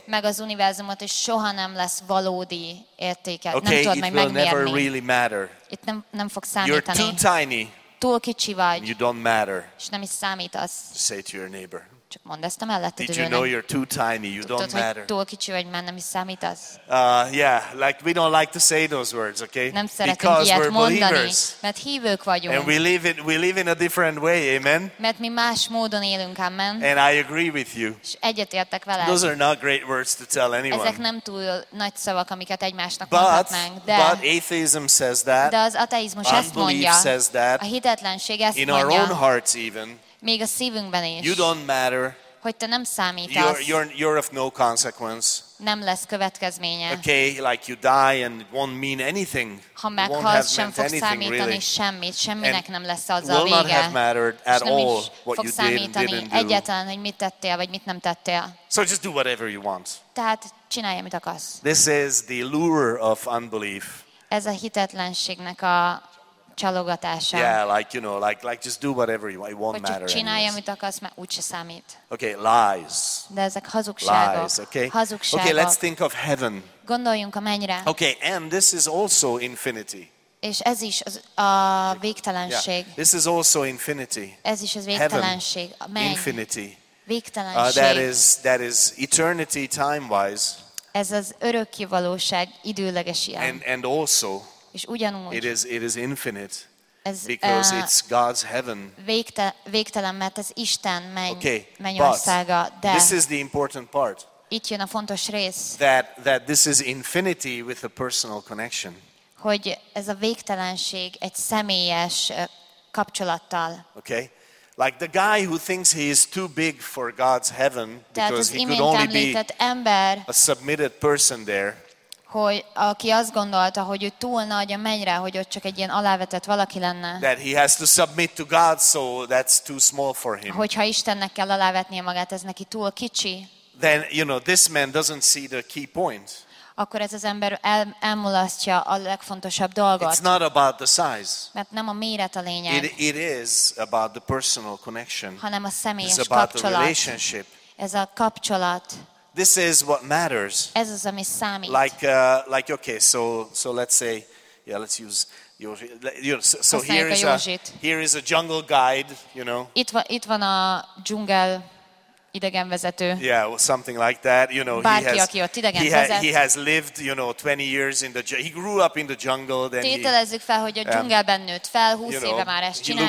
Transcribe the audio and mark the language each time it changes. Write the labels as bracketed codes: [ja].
[hu] Meg az univerzumot, és soha nem lesz valódi értéke. [en] Okay? [hu] Nem tudod meg megmérni. [en] It will never really matter. [hu] It nem fog számítani. [en] You're too tiny. [hu] Túl kicsi vagy. [en] You don't matter. [hu] És nem is számítasz. [en] Say to your neighbor. [hu] Csak mondd ezt a mellette. [en] Did you know you're too tiny? You don't matter. [hu] Tudod, hogy túl kicsi vagy, mert nem is számítasz. [en] Yeah, like we don't like to say those words, okay? [hu] Nem szeretünk ilyet mondani, mert hívők vagyunk. [en] And we live in a different way, amen? [hu] Mert mi más módon élünk, amen? [en] And I agree with you. [hu] És egyetértek veled. [en] Those are not great words to tell anyone. [hu] Ezek nem túl nagy szavak, amiket egymásnak mondhatnánk. [en] But atheism says that. [hu] De az ateizmus ezt mondja. [en] Unbelief says that. [hu] A hitetlenség ezt mondja. [en] In our own hearts even. [hu] Még a szívünkben is. [en] You don't matter. [hu] Hogy te nem számítasz. [en] You're of no consequence. [hu] Nem lesz következménye. [en] Okay, like you die and it won't mean anything. [hu] Ha meghalsz, sem fog számítani semmit. Semminek nem lesz az a vége. [en] Will not have mattered at all what you did and didn't do. [hu] Egyetlen, hogy mit tettél, vagy mit nem tettél. [en] So just do whatever you want. [hu] Tehát csinálj, amit akarsz. [en] This is the lure of unbelief. [hu] Ez a hitetlenségnek a csalogatása. [en] Yeah, like you know, like just do whatever you want. It won't matter. [hu] Csinálj, amit akarsz, mert úgyse számít. [en] Okay, lies. [hu] De ezek hazugságok. [en] Lies, okay. [hu] Hazugságok. [en] Okay, let's think of heaven. [hu] Gondoljunk a mennyre. [en] Okay, and this is also infinity. [hu] És ez is az a végtelenség. [en] Yeah, this is also infinity. [hu] Ez is az végtelenség. [en] Heaven, [hu] a mennyi. [en] Infinity. [hu] Végtelenség. [en] That is eternity time-wise. [hu] Ez az örökké valóság időleges ilyen. [en] And also, [hu] és ugyanúgy, [en] it is infinite, ez, because it's God's heaven. [hu] Végtelen, mert ez Isten mennyországa. De [en] this is the important part. [hu] Itt jön a fontos rész. [en] That this is infinity with a personal connection. [hu] Hogy ez a végtelenség egy személyes kapcsolattal. [en] Okay, like the guy who thinks he is too big for God's heaven because he could only be [hu] ember, [en] a submitted person there. [hu] Hogy aki azt gondolta, hogy ő túl nagy a mennyre, hogy ott csak egy ilyen alávetett valaki lenne. [en] That he has to submit to God, so that's too small for him. [hu] Hogyha Istennek kell alávetnie magát, ez neki túl kicsi. [en] Then, you know, this man doesn't see the key point. [hu] Akkor ez az ember elmulasztja a legfontosabb dolgot. [en] It's not about the size. [hu] Mert nem a méret a lényeg. [en] It is about the personal connection. [hu] Hanem a személyes kapcsolat. [en] It's about the relationship. [hu] Ez a kapcsolat. [en] This is what matters. [hu] Ez az, ami számít. [en] Like okay, so let's say, yeah, let's use your, you know, so here is a jungle guide, you know. [hu] Itt van a dzsungel idegenvezető. [en] Yeah, well, something like that, you know. [hu] Bárki, aki ott idegenvezet. [en] He has lived, you know, 20 years in the jungle. He grew up in the jungle. Then [hu] tételezzük fel, hogy a dzsungelben nőtt fel, 20 éve már ezt csinálja.